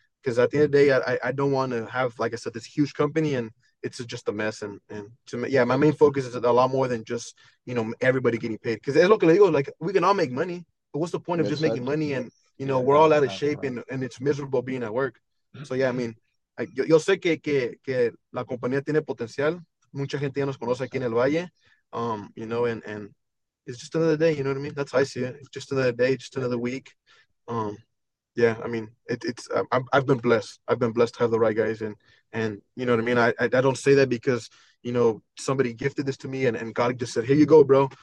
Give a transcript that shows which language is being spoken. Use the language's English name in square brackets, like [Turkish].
[English] Because at the end of the day, I don't want to have, like I said, this huge company and it's just a mess. And to me, yeah, my main focus is a lot more than just, you know, everybody getting paid. Because it's local, like, we can all make money, but what's the point of just making money and, you know, we're all out of shape and it's miserable being at work. So, yeah, I mean, [Spanish] yo sé que la compañía tiene potencial. Mucha gente ya nos conoce aquí en el Valle. [English] You know, and it's just another day, you know what I mean? That's how I see it. It's just another day, just another week. Yeah, I mean, I've been blessed. I've been blessed to have the right guys. And you know what I mean? I don't say that because, you know, somebody gifted this to me and God just said, here you go, bro.